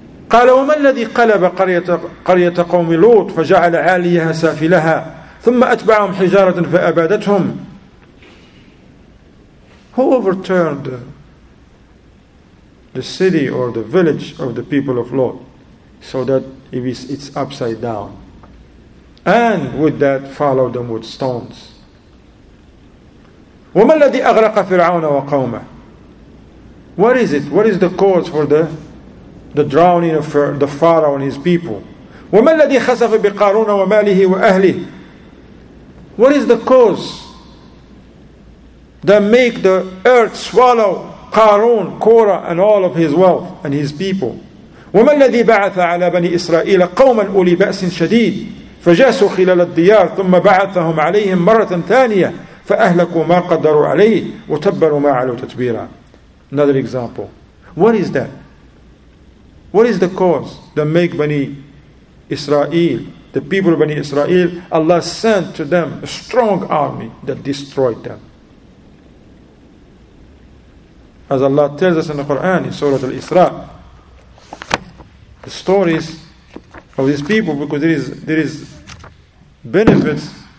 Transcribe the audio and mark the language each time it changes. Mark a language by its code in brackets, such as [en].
[ar] قال وما الذي قلب قرية قوم لوط فجعل عاليها سافلها ثم أتبعهم حجارة فأبادتهم. [en] Who overturned the city or the village of the people of Lot so that it's upside down, and with that followed them with stones? [ar] وما الذي أغرق فرعون وقومه. [en] What is it? What is the cause for the drowning of the Pharaoh and his people? [ar] وما الذي خسف بقارون وماله وأهله. [en] What is the cause that make the earth swallow قارون, Korah, and all of his wealth and his people? [ar] وما الذي بعث على بني إسرائيل قوما أولي بأس شديد فجاسوا خلال الديار ثم بعثهم عليهم مرة ثانية فأهلكوا ما قدروا عليه وتبروا ما علوا تتبيرا. [en] Another example. What is that? What is the cause that make Bani Israel, the people of Bani Israel, Allah sent to them a strong army that destroyed them? As Allah tells us in the Quran, in Surah Al-Isra, the stories of these people, because there is benefits.